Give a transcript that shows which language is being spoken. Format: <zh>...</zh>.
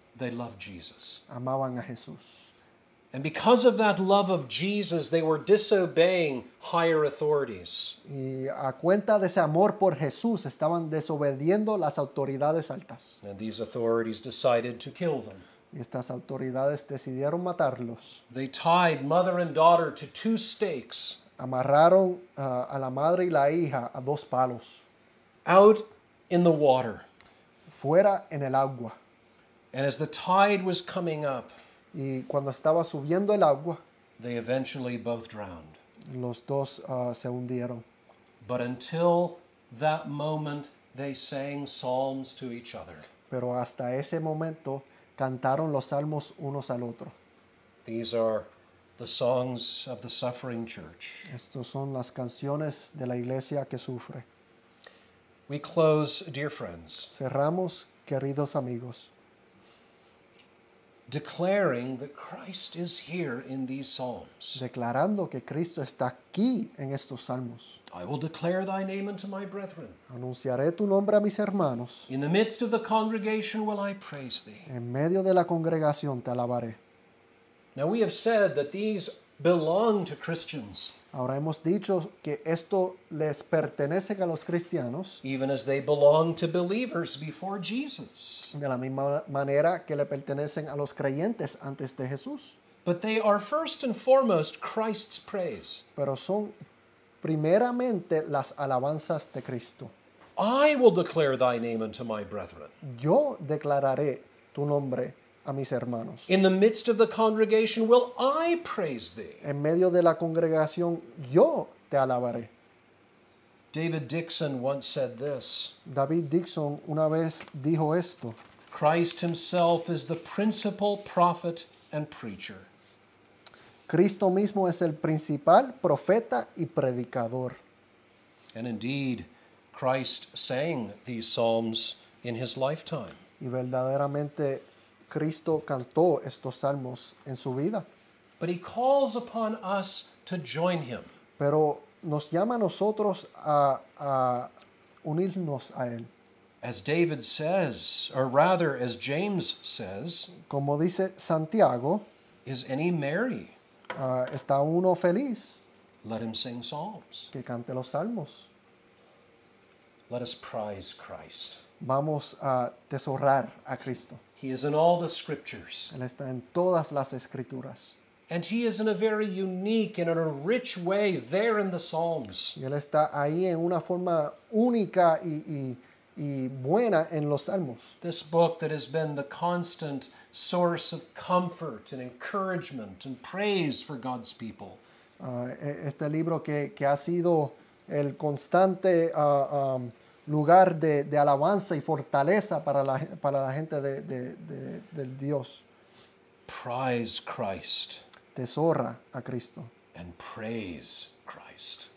<en>They loved Jesus.</en> <es>Amaban a Jesús.</es> <en>And because of that love of Jesus, they were disobeying higher authorities.</en> <es>Y a cuenta de ese amor por Jesús, estaban desobedeciendo las autoridades altas.</es> <en>And these authorities decided to kill them.</en> <es>Y estas autoridades decidieron matarlos.</es> <en>They tied mother and daughter to two stakes.</en> <es>Amarraron a la madre y la hija a dos palos.</es> <en>Out in the water.</en> <es>Fuera en el agua.</es> <en>And as the tide was coming up,</en> <es>y cuando estaba subiendo el agua,</es> <en>they eventually both drowned.</en> <es>Los dos se hundieron.</es> <en>But until that moment, they sang psalms to each other.</en> <es>Pero hasta ese momento, cantaron los salmos unos al otro.</es> <en>These are the songs of the suffering church.</en> <es>Estos son las canciones de la iglesia que sufre.</es> <en>We close, dear friends.</en> <es>Cerramos, queridos amigos.</es> <en>Declaring that Christ is here in these psalms.</en> <es>Declarando que Cristo está aquí en estos salmos.</es> <en>I will declare thy name unto my brethren.</en> <es>Anunciaré tu nombre a mis hermanos.</es> <en>In the midst of the congregation will I praise thee.</en> <es>En medio de la congregación te alabaré.</es> <en>Now we have said that these belong to Christians.</en> <es>Ahora hemos dicho que esto les pertenece a los cristianos.</es> <en>Even as they belong to believers before Jesus.</en> <es>De la misma manera que le pertenecen a los creyentes antes de Jesús.</es> <en>But they are first and foremost Christ's praise.</en> <es>Pero son primeramente las alabanzas de Cristo.</es> <en>I will declare thy name unto my brethren.</en> <es>Yo declararé tu nombre a mis hermanos.</es> <en>In the midst of the congregation will I praise thee.</en> <es>En medio de la congregación yo te alabaré.</es> <en>David Dixon once said this.</en> <es>David Dixon una vez dijo esto.</es> <en>Christ himself is the principal prophet and preacher.</en> <es>Cristo mismo es el principal profeta y predicador.</es> <en>And indeed, Christ sang these psalms in his lifetime.</en> <es>Y verdaderamente Cristo cantó estos salmos en su vida.</es> <en>But he calls upon us to join him.</en> <es>Pero nos llama a nosotros a unirnos a él.</es> <en>As David says, or rather as James says,</en> <es>como dice Santiago,</es> <en>is any merry?</en> <es>¿Está uno feliz?</es> <en>Let him sing psalms.</en> <es>Que cante los salmos.</es> <en>Let us prize Christ.</en> <es>Vamos a tesorar a Cristo.</es> <en>He is in all the scriptures.</en> <es>Él está en todas las escrituras.</es> <en>And he is in a very unique and in a rich way there in the Psalms.</en> <es>Y él está ahí en una forma única y buena en los Salmos.</es> <en>This book that has been the constant source of comfort and encouragement and praise for God's people.</en> <es>Este libro que ha sido el constante lugar de alabanza y fortaleza para la gente del Dios.</es> <en>Prize Christ.</en> <es>Tesora a Cristo.</es> <en>And praise Christ.</en>